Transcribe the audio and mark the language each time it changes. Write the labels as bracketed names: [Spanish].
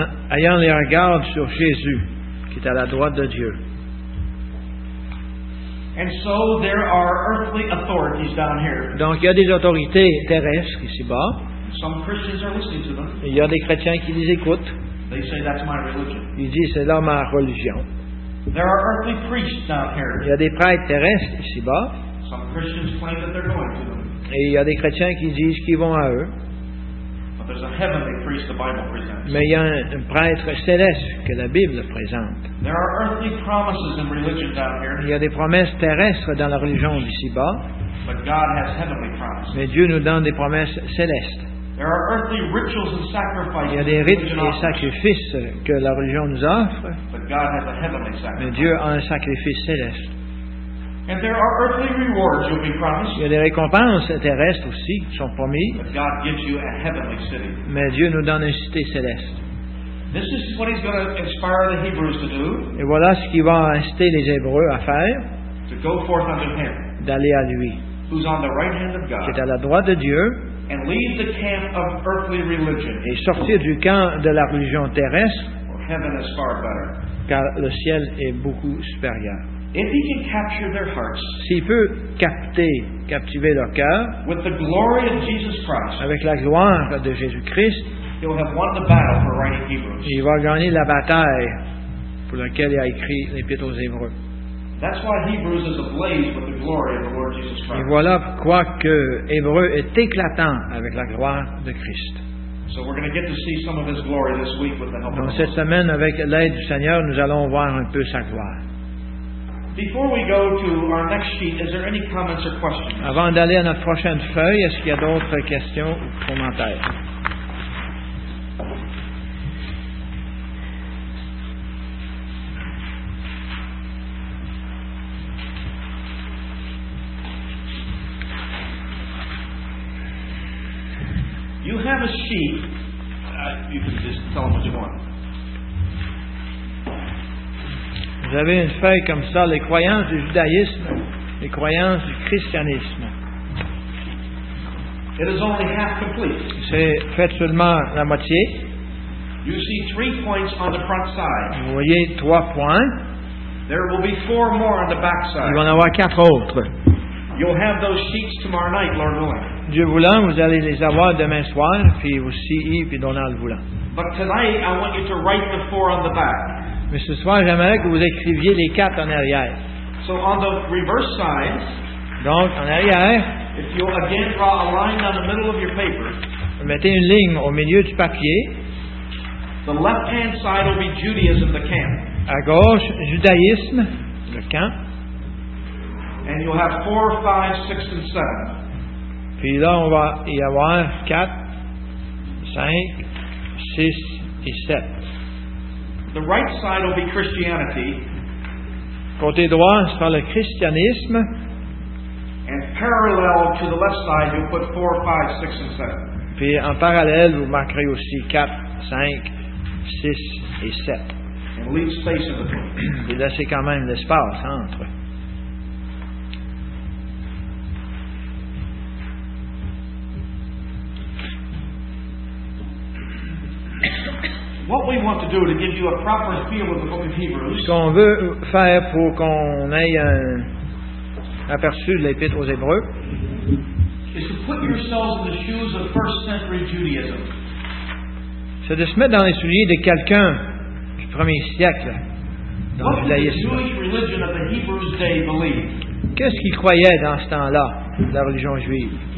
[French] Ayant les regards sur Jésus, qui est à la droite de Dieu. [English] And so there are earthly authorities down here. [French] Donc il y a des autorités terrestres ici-bas. [English] Some Christians are listening to them. [French] Il y a des chrétiens qui les écoutent. [English] They say that's my religion. [French] Ils disent c'est là ma religion. [English] There are earthly priests down here. [French] Il y a des prêtres terrestres ici-bas. [English] Some Christians claim that they're going to them. [French] Et il y a des chrétiens qui disent qu'ils vont à eux. [English] But there's a heavenly priest the Bible presents. [French] Mais il y a un prêtre céleste que la Bible présente. [English] There are earthly promises in religion down here. [French] Il y a des promesses terrestres dans la religion d'ici-bas. [English] But God has heavenly promises. [French] Mais Dieu nous donne des promesses célestes. [English] There are earthly rituals and sacrifices. [French] Il y a des rites et sacrifices que la religion nous offre. [English] But God has a heavenly sacrifice. [French] Mais Dieu a un sacrifice céleste. [English] And there are earthly rewards you'll be promised. [French] Il y a des récompenses terrestres aussi qui sont promises. [English] But God gives you a heavenly city. [French] Mais Dieu nous donne une cité céleste. [English] This is what he's going to inspire the Hebrews to do. [French] Et voilà ce qu'il va inciter les Hébreux à faire. [English] To go forth unto him. [French] d'aller à lui, [English] who's on the right hand of God, [French] qui est à la droite de Dieu, [English] and leave the camp of earthly religion, [French] et sortir du camp de la religion terrestre, [English] or heaven is far better. [French] Car le ciel est beaucoup supérieur. [English] If he can capture their hearts, [French] s'il peut captiver leur cœur, [English] with the glory of Jesus Christ, [French] avec la gloire de Jésus-Christ, [English] he will have won the battle for writing Hebrews. [French] Il va gagner la bataille pour laquelle il a écrit l'Épître aux Hébreux. [English] That's why Hebrews is ablaze with the glory of the Lord Jesus Christ. [French] Et voilà pourquoi que Hébreux est éclatant avec la gloire de Christ. [English] So we're going to get to see some of his glory this week with the help of the Lord. [French] Donc cette semaine, avec l'aide du Seigneur, nous allons voir un peu sa gloire. [English] Before we go to our next sheet, is there any comments or questions? [French] Avant d'aller à notre prochaine feuille, est-ce qu'il y a d'autres questions ou commentaires? [English] You have a sheet. You can just tell them which one. [French] Vous avez une feuille comme ça, les croyances du judaïsme, les croyances du christianisme. [English] It is only half complete. [French] C'est fait seulement la moitié. [English] You see three points on the front side. [French] Vous voyez trois points. [English] There will be four more on the back side. [French] Il va en avoir quatre autres. [English] You'll have those sheets tomorrow night, Lord willing. [French] Dieu voulant, vous allez les avoir demain soir, puis aussi Yves et Donald voulant. [English] But tonight, I want you to write the four on the back. [French] Mais ce soir, j'aimerais que vous écriviez les quatre en arrière. [English] So on the reverse side, [French] donc, en arrière, [English] if you'll again draw a line down the middle of your paper, [French] vous mettez une ligne au milieu du papier. [English] The left-hand side will be Judaism, the camp. [French] À gauche, judaïsme, le camp. [English] And you'll have four, five, six, and seven. [French] Puis là, on va y avoir 4, 5, 6 et 7. [English] The right side will be Christianity. [French] Côté droit, ce sera le christianisme. [English] And parallel to the left side, you'll put 4, 5, 6, and 7. [French] Puis en parallèle, vous marquerez aussi 4, 5, 6 et 7. [English] And leave space in between. [French] Puis là, c'est quand même l'espace entre. [English] What we want to do to give you a proper feel of the book of Hebrews. [French] Ce qu'on veut faire pour qu'on ait un aperçu de l'Épître aux Hébreux. [English] Is to put yourselves in the shoes of first century Judaism. [French] C'est de se mettre dans les souliers de quelqu'un du premier siècle. [English] What did the Jewish religion of the Hebrews day believe? [French] Qu'est-ce qu'ils croyaient dans ce temps-là, la religion juive?